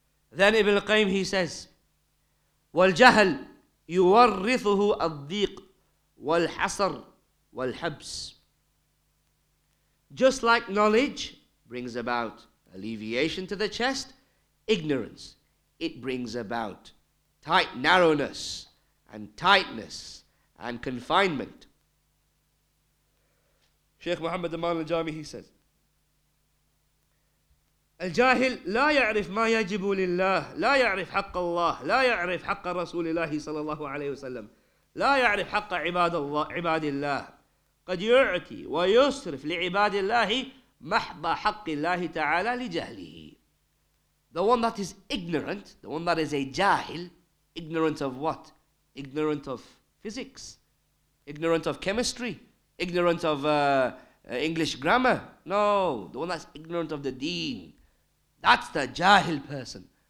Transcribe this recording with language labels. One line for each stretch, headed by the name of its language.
English: Then Ibn al-Qayyim, he says,
Arabic: وَالْجَهَلْ يُوَرِّثُهُ الضِّيقُ وَالْحَصَرُ وَالْحَبْسُ.
English: Just like knowledge brings about alleviation to the chest, ignorance, it brings about tight narrowness and tightness and confinement.
Arabic: Sheikh Muhammad Aman al-Jami,
English: he says,
Arabic: الجاهل لا يعرف ما يجب لله لا يعرف حق الله لا يعرف حق رسول الله صلى الله عليه وسلم لا يعرف حق عباد الله عباد الله قد يعطي ويصرف لعباد الله محض حق الله تعالى لجهله.
English: The one that is ignorant, the one that is a jahil, ignorant of what? Ignorant of physics, ignorant of chemistry, ignorant of English grammar. No, the one that's ignorant of the deen. That's the jahil person.